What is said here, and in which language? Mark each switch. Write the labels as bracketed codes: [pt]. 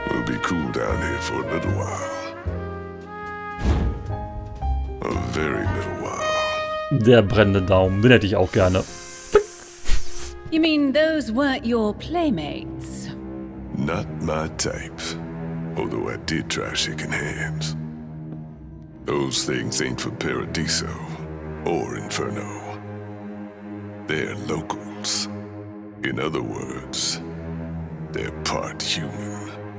[en] We'll be cool down here for a little while. A very little while. [de] Der brennende Daumen, den hätte ich auch gerne. [en] You mean those weren't your playmates? Not my type. Although I did try shaking hands. Those things ain't for Paradiso or Inferno. They're locals. In other words, they're part human.